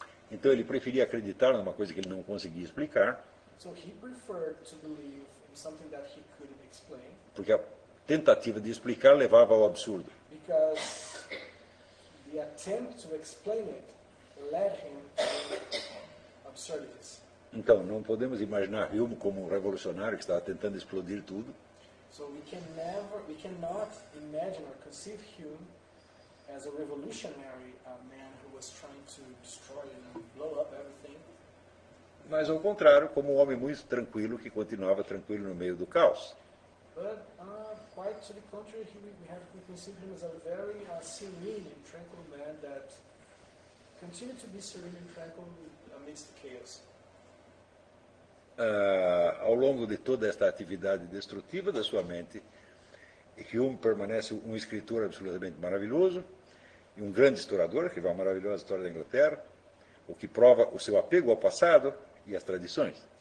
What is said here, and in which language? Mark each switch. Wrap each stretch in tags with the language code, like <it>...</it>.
<pt>Então ele preferia acreditar numa coisa que ele não conseguia explicar.</pt> <en>So he preferred to believe in something that he couldn't explain.</en> <pt>Porque a tentativa de explicar levava ao absurdo.</pt> <en>Because the attempt to explain it led him to absurdities.</en> <pt>Então, não podemos imaginar Hume como um revolucionário que estava tentando explodir tudo.</pt> <en>So we cannot imagine or conceive Hume as a revolutionary man who was trying to destroy and blow up everything.</en> <pt>Mas ao contrário, como um homem muito tranquilo que continuava tranquilo no meio do caos.</pt> <en>But quite to the contrary, we have to conceive him as a very serene and tranquil man that continued to be serene and tranquil amidst the chaos.</en> <pt>Ao longo de toda esta atividade destrutiva da sua mente, Hume permanece um escritor absolutamente maravilhoso e um grande historiador, que vai uma maravilhosa história da Inglaterra, o que prova o seu apego ao passado e às tradições.</pt>